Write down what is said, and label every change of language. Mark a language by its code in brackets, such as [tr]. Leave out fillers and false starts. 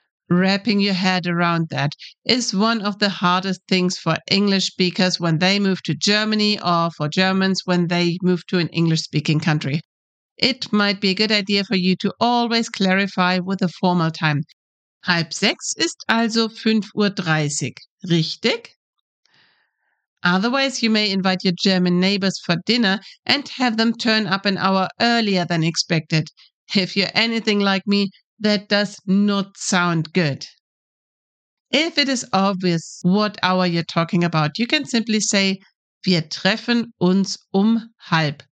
[en] Wrapping your head around that is one of the hardest things for English speakers when they move to Germany or for Germans when they move to an English-speaking country. It might be a good idea for you to always clarify with a formal time. [de] Halb sechs ist also 5:30, richtig? [en] Otherwise, you may invite your German neighbors for dinner and have them turn up an hour earlier than expected. If you're anything like me, that does not sound good. If it is obvious what hour you're talking about, you can simply say, [de] wir treffen uns halb.